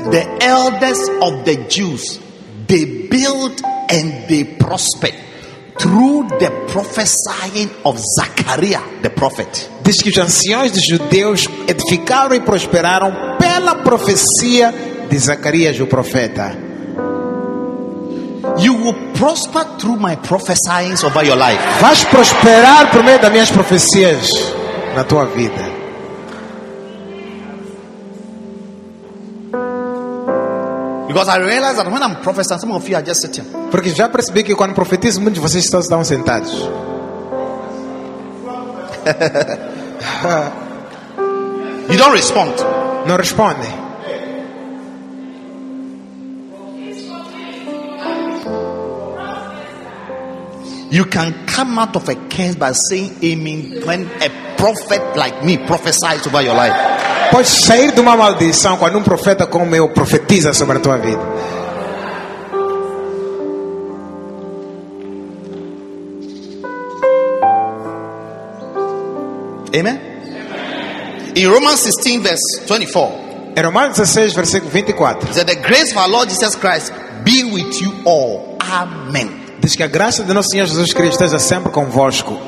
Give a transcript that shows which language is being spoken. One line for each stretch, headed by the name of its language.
English: The elders of the Jews, they built and they prospered through the prophesying of Zachariah, the prophet.
Portuguese: Diz que os anciões dos judeus edificaram e prosperaram pela profecia de Zacarias, o profeta.
English: You will prosper through my prophesying over your life.
Portuguese: Vais prosperar por meio das minhas profecias na tua vida.
English: Because I realize that when I'm prophesying, some of you are just sitting.
Portuguese: Porque já percebi que quando profetizo, muitos de vocês estão sentados.
English: You don't respond.
Portuguese: Não responde.
English: You can come out of a curse by saying amen when a prophet like me prophesies over your life.
Portuguese: Pode sair de uma maldição quando profeta como eu profetiza sobre a tua vida.
English: Amen? Amen. In Romans 16 verse 24.
Portuguese: Em Romanos 16 versículo 24.
English: That the grace of our Lord Jesus Christ be with you all. Amen.
Portuguese: Diz que a graça de nosso Senhor Jesus Cristo esteja sempre convosco.